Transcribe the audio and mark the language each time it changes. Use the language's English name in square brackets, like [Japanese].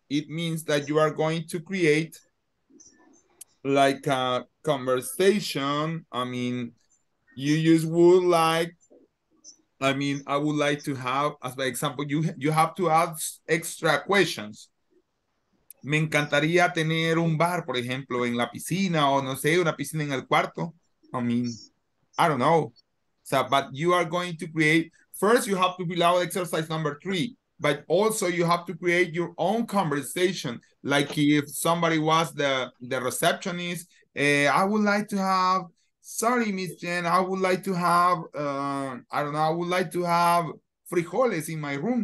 [English] It means that you are going to create like a conversation. You use would like, I would like to have, as by example, you have to ask extra questions. [Spanish] Me encantaría tener un bar, por ejemplo, en la piscina, o no sé, una piscina en el cuarto. [English] I don't know. So, but you are going to create, first you have to fill out exercise number 3, but also you have to create your own conversation. Like if somebody was the receptionist, I would like to have, sorry, Miss Jen, I would like to have, I would like to have frijoles in my room.